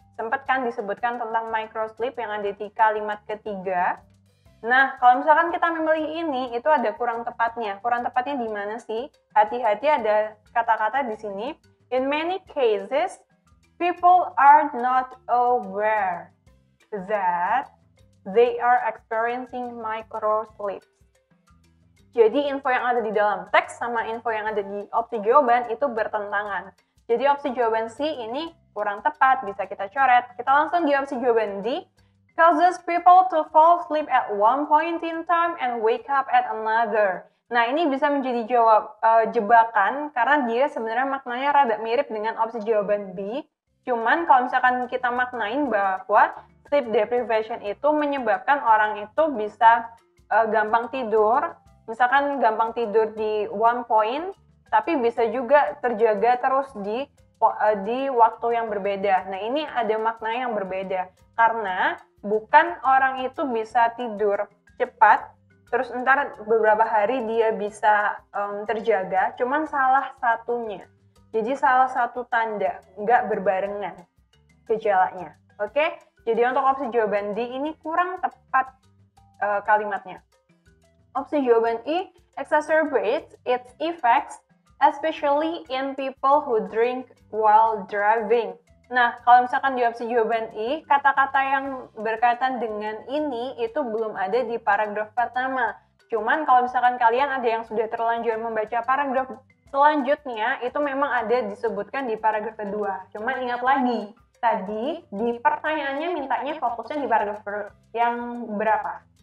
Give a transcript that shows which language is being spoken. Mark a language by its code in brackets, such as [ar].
[id] Sempat kan disebutkan tentang microsleep yang ada di kalimat ketiga. Nah, kalau misalkan kita memilih ini, itu ada kurang tepatnya. Kurang tepatnya di mana sih? Hati-hati ada kata-kata di sini. [en] In many cases, people are not aware that they are experiencing microsleeps. [id] Jadi, info yang ada di dalam teks sama info yang ada di opsi jawaban itu bertentangan. Jadi, opsi jawaban C ini kurang tepat, bisa kita coret. Kita langsung di opsi jawaban D. [en] Causes people to fall asleep at one point in time and wake up at another. [id] Nah, ini bisa menjadi jawab jebakan karena dia sebenarnya maknanya rada mirip dengan opsi jawaban B. Cuman kalau misalkan kita maknain bahwa sleep deprivation itu menyebabkan orang itu bisa gampang tidur, misalkan gampang tidur di one point, tapi bisa juga terjaga terus di waktu yang berbeda. Nah, ini ada makna yang berbeda karena bukan orang itu bisa tidur cepat, terus ntar beberapa hari dia bisa terjaga, cuman salah satunya. Jadi salah satu tanda, nggak berbarengan gejalanya. Oke, jadi untuk opsi jawaban D ini kurang tepat kalimatnya. Opsi jawaban E, [en] exacerbates its effects, especially in people who drink while driving. [id] Nah, kalau misalkan di opsi jawaban I, kata-kata yang berkaitan dengan ini itu belum ada di paragraf pertama. Cuman kalau misalkan kalian ada yang sudah terlanjur membaca paragraf selanjutnya, itu memang ada disebutkan di paragraf kedua. Cuman ingat lagi, tadi di pertanyaannya mintanya fokusnya di paragraf yang berapa?